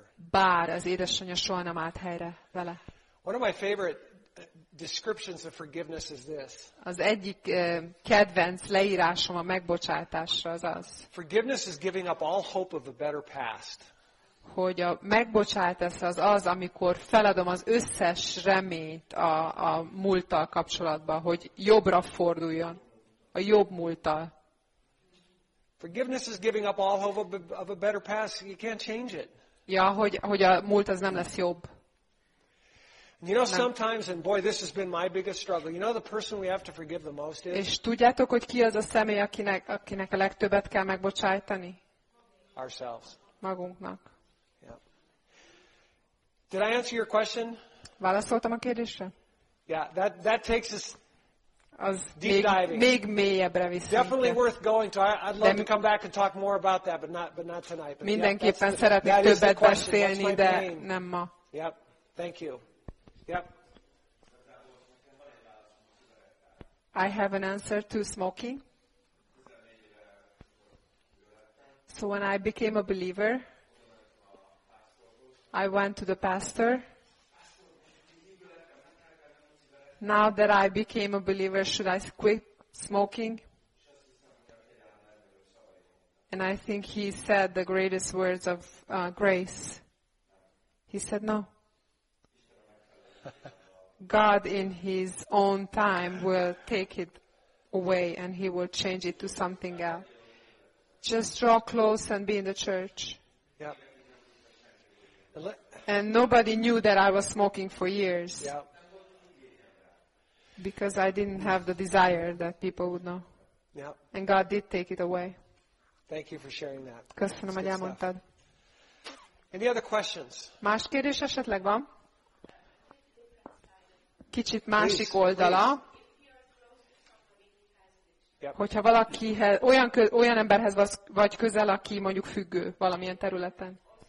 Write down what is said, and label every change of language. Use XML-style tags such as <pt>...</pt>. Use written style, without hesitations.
<hu>bár az édesanyja soha nem állt helyre vele.</hu> <en>One of my favorite descriptions of forgiveness is this.</en> <hu>Az egyik kedvenc leírásom a megbocsátásra az az.</hu> <en>Forgiveness is giving up all hope of a better past.</en> <hu>Hogy a megbocsátás az az, amikor feladom az összes reményt a múlttal kapcsolatban, hogy jobbra forduljon, a jobb múlttal.</hu> <en>Forgiveness is giving up all hope of a better past. You can't change it.</en> <hu>Ja, hogy a múlt az nem lesz jobb.</hu> <en>You know, sometimes, and boy, this has been my biggest struggle. You know, the person we have to forgive the most is.</en> <hu>És tudjátok, hogy ki az a személy, akinek a legtöbbet kell megbocsájtani?</hu> <en>Ourselves.</en> <hu>Magunknak.</hu> <en>Yeah. Did I answer your question?</en> <hu>Válaszoltam a kérdésre?</hu> <en>Yeah, that takes us.</en> <hu>Az</hu> <en>deep</en> <hu>még,</hu> <en>diving.</en> <hu>Még mélyebbre viszont.</hu> <en>Definitely worth going to. I'd love to come back and talk more about that, but not tonight.</en> <hu>Mindenképpen szeretnék többet beszélni, de nem ma.</hu> <en>Yep. Thank you. Yep. I have an answer to smoking. So when I became a believer, I went to the pastor. Now that I became a believer, should I quit smoking? And I think he said the greatest words of grace. He said no. God in his own time will take it away and he will change it to something else. Just draw close and be in the church. Yep. And nobody knew that I was smoking for years. Yep. Because I didn't have the desire that people would know. Yep. And God did take it away. Thank you for sharing that.</en> <hu>Köszönöm, hogy elmondtad.</hu> <en>Any other questions?</en> <hu>Más kérdés esetleg van? Kicsit másik</hu> <en>please,</en> <hu>oldala.</hu> <en>Please. Yep.</en> <hu>Hogyha valakihez, olyan emberhez vagy közel, aki mondjuk függő valamilyen területen.</hu>